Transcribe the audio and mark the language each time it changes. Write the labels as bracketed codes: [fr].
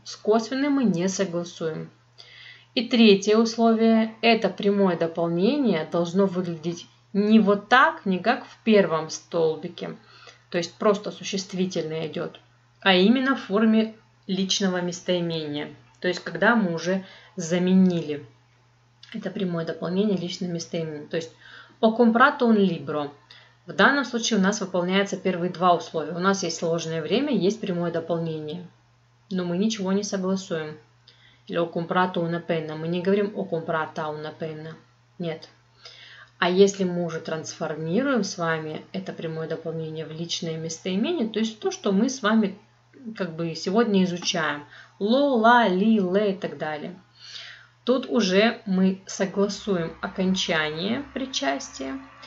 [ru] С косвенным мы не согласуем. И третье условие, это прямое дополнение должно выглядеть не вот так, не как в первом столбике, то есть просто существительное идет, а именно в форме личного местоимения, то есть когда мы уже заменили это прямое дополнение личным местоимением. То есть [it] «ho comprato un libro». [ru] В данном случае у нас выполняются первые два условия. У нас есть сложное время, есть прямое дополнение, но мы ничего не согласуем. Или [it] «ho comprato una penna». [ru] Мы не говорим [it] «ho comprata una penna». [ru] Нет. А если мы уже трансформируем с вами это прямое дополнение в личное местоимение, то есть то, что мы с вами как бы сегодня изучаем. «Ло», «ла», «ли», «ле» и так далее. Тут уже мы согласуем окончание причастия.